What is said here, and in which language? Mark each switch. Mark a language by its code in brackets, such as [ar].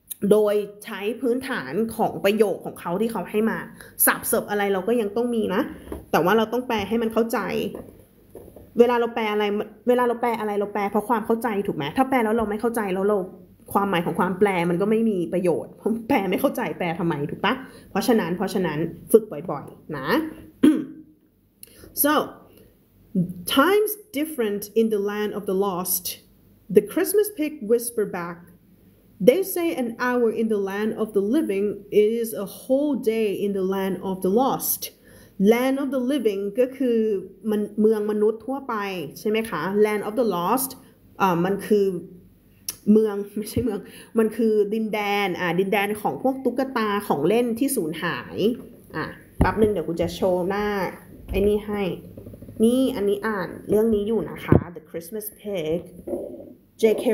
[th] โดยใช้พื้นฐานของประโยคของเขาที่เขาให้มาสับเสริมอะไรเราก็ยังต้องมีนะแต่ว่าเราต้องแปลให้มันเข้าใจเวลาเราแปลอะไรเราแปลเพราะความเข้าใจถูกไหมถ้าแปลแล้วเราไม่เข้าใจแล้วเราความหมายของความแปลมันก็ไม่มีประโยชน์เพราะแปลไม่เข้าใจแปลทำไมถูกปะเพราะฉะนั้นฝึกบ่อยๆนะ [en] So, time's different in the land of the lost. The Christmas pig whispered back. They say an hour in the land of the living is a whole day in the land of the lost. [th] Land of the living ก็คือเมืองมนุษย์ทั่วไปใช่ไหมคะ Land of the lost มันคือเมืองไม่ใช่เมืองมันคือดินแดนดินแดนของพวกตุ๊กตาของเล่นที่สูญหายแป๊บนึงเดี๋ยวกูจะโชว์หน้าไอ้นี่ให้นี่อันนี้อ่านเรื่องนี้อยู่นะคะ The Christmas Pig J.K.